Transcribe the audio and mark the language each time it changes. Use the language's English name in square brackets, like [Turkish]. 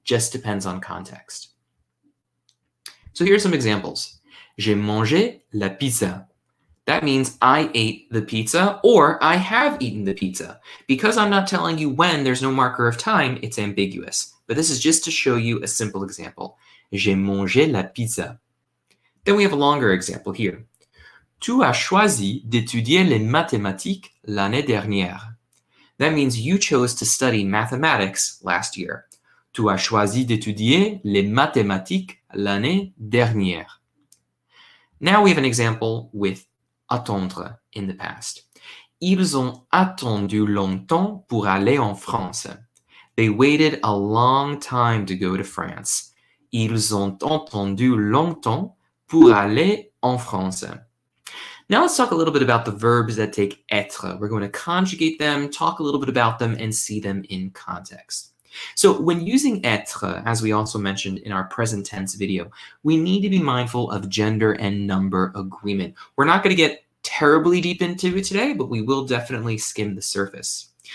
[English] Just depends on context. So, here are some examples. [French] J'ai mangé la pizza. [English] That means I ate the pizza or I have eaten the pizza. Because I'm not telling you when, there's no marker of time, it's ambiguous. But this is just to show you a simple example. [French] J'ai mangé la pizza. [English] Then we have a longer example here. [French] Tu as choisi d'étudier les mathématiques l'année dernière. [English] That means you chose to study mathematics last year. [French] Tu as choisi d'étudier les mathématiques l'année dernière. [English] Now we have an example with attendre in the past. [French] Ils ont attendu longtemps pour aller en France. [English] They waited a long time to go to France. [French] Ils ont attendu longtemps pour aller en France. [English] Now let's talk a little bit about the verbs that take être. We're going to conjugate them, talk a little bit about them, and see them in context. So when using être, as we also mentioned in our present tense video, we need to be mindful of gender and number agreement. We're not going to get terribly deep into it today, but we will definitely skim the surface.